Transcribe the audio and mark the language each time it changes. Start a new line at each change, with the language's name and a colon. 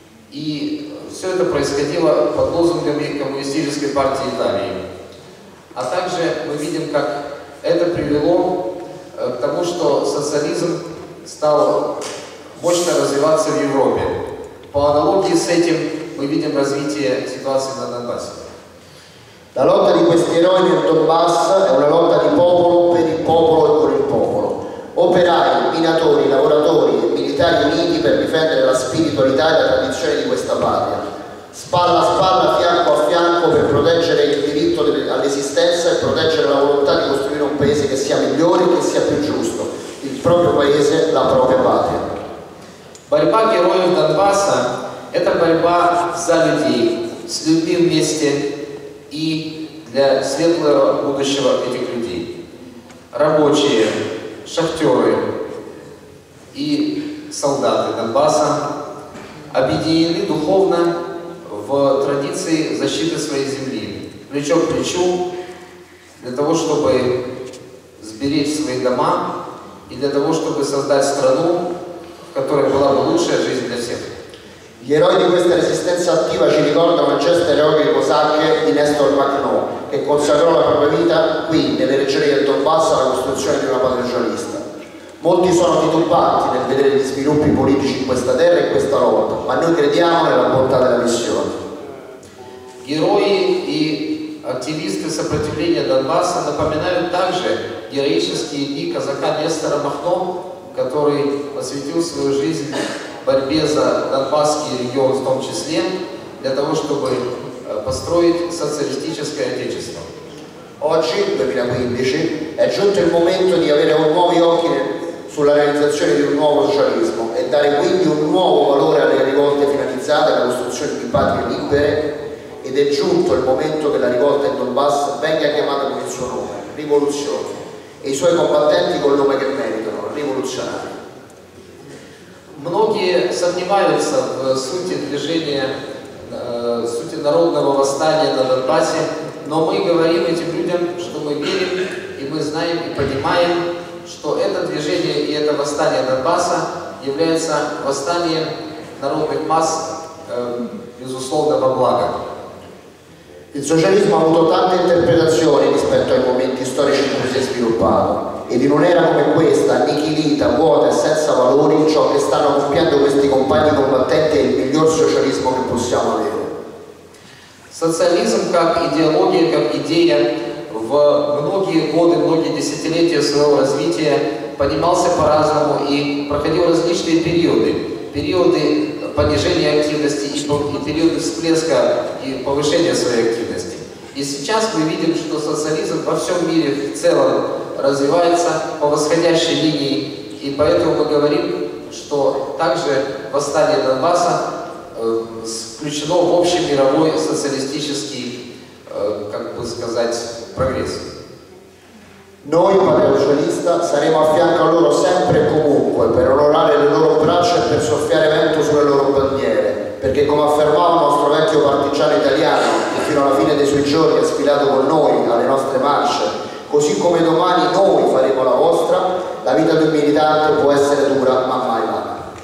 Russian: И все это происходило под лозунгами Коммунистической партии Италии. А также мы видим, как это привело к тому, что социализм стал мощно развиваться в Европе. По аналогии с этим мы видим развитие ситуации на Донбассе.
Italian: La lotta di questi eroi nel Donbass è una lotta di popolo per il popolo e con il popolo. Operai, minatori, lavoratori e militari uniti per difendere la spiritualità e la tradizione di questa patria. Spalla a spalla, fianco a fianco per proteggere il diritto all'esistenza e proteggere la volontà di costruire un paese che sia migliore e che sia più giusto. Il proprio paese, la propria patria.
Russian: Борьба героев Донбасса – это борьба за людей, с людьми вместе. И для светлого будущего этих людей. Рабочие, шахтеры и солдаты Донбасса объединены духовно в традиции защиты своей земли, плечо к плечу, для того, чтобы сберечь свои дома и для того, чтобы создать страну, в которой была бы лучшая жизнь для всех.
Italian: Gli eroi di questa resistenza attiva ci ricordano il gesto eroico di cosacche di Nestor Makhno, che consacrò la propria vita qui, nelle regioni del Donbass, alla costruzione di una patria socialista. Molti sono titubanti nel vedere gli sviluppi politici in questa terra e in questa lotta, ma noi crediamo nella bontà della missione. Gli eroi e attivisti di sopravvivenza del Donbass
Russian: напоминают также героические дни казака Нестора Махно, который посвятил свою жизнь борьбе за Донбасский регион в том числе, для того, чтобы построить социалистическое отечество.
Italian: Oggi, 2015, è giunto il momento di avere nuovi occhi sulla realizzazione di un nuovo socialismo e dare quindi un nuovo valore alle rivolte finalizzate alla costruzione di patrie libere, ed è giunto il momento che la rivolta in Donbass venga chiamata con il suo nome, rivoluzione, e i suoi combattenti col nome che meritano, rivoluzionari.
Russian: Многие сомневаются в сути движения, сути народного восстания на Донбассе, но мы говорим этим людям, что мы верим, и мы знаем и понимаем, что это движение и это восстание Донбасса является восстанием народных масс безусловного блага.
Italian: Il socialismo ha avuto tante interpretazioni rispetto ai momenti storici in cui si è sviluppato. Ed in un'era come questa, annichilita, vuota e senza valori, ciò che stanno compiendo questi compagni combattenti è il miglior socialismo che possiamo avere. Socialismo come ideologia, come idea,
Russian: в многие годы, многие десятилетия своего развития понимался по-разному и проходил различные периоды. Периоды понижения активности и периоды всплеска и повышения своей активности. И сейчас мы видим, что социализм во всем мире в целом развивается по восходящей линии, и поэтому мы говорим, что также восстание Донбасса включено в общий мировой социалистический, как бы сказать, прогресс.
Italian: Noi, patria socialista, saremo a fianco a loro sempre e comunque per onorare le loro braccia e per soffiare vento sulle loro bandiere, perché come affermava il nostro vecchio partigiano italiano, che fino alla fine dei suoi giorni ha sfilato con noi alle nostre marce, così come domani noi faremo la vostra, la vita di un militante può essere dura ma mai vana.